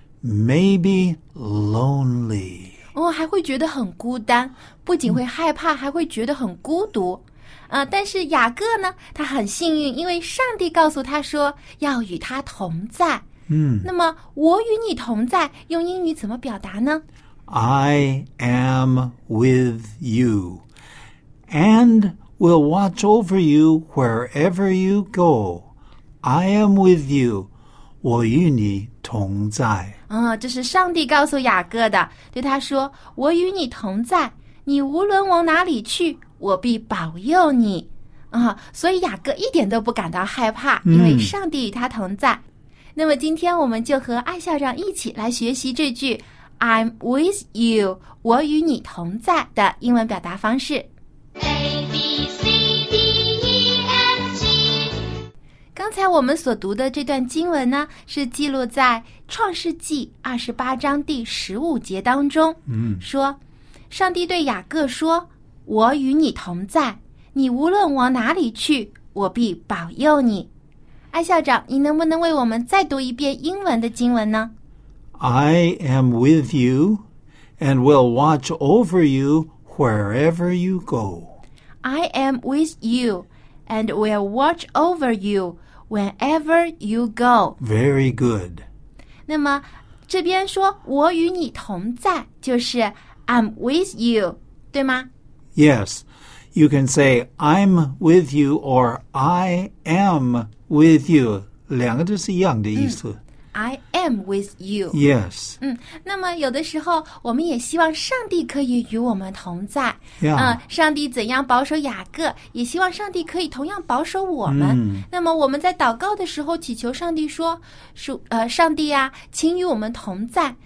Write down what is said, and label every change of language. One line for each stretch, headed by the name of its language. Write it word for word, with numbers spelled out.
English: Maybe lonely.
Chinese: 哦，还会觉得很孤单，不仅会害怕，还会觉得很孤独。呃，但是雅各呢，他很幸运，因为上帝告诉他说要与他同在。嗯，那么我与你同在，用英语怎么表达呢？
English: I am with you, and will watch over you wherever you go. I am with you.
Chinese: 我与你同在。嗯，这是上帝告诉雅各的，对他说，我与你同在，你无论往哪里去，我必保佑你。啊、嗯，所以雅各一点都不感到害怕，因为上帝与他同在。嗯、那么今天我们就和艾校长一起来学习这句
English: I'm with you，
Chinese: 我与你同在的英文表达方式。刚才我们所读的这段经文呢，是记录在创世纪二十八章第十五节当中。嗯，说上帝对雅各说，我与你同在，你无论往哪里去，我必保佑你。艾校长，你能不能为我们再读一遍英文的经文呢？
English: I am with you and will watch over you wherever you go. I am with you and will watch over you whenever you go. Very good.
Chinese: 那么这边说我与你同在，就是
English: I'm with you，
Chinese: 对吗？
English: Yes. You can say I'm with you or I am with you.
Chinese: 两个都是一样的意思。
English: 嗯，I am with you. Yes.
Chinese: 嗯，那么有的时候我们也希望上帝可以与我们同在。
English: Yeah.
Chinese: 嗯，上帝怎样保守雅各，也希望上帝可以同样保守我们。 Mm. 那么我们在祷告的时候祈求上帝说，呃，上帝啊，请与我们同在。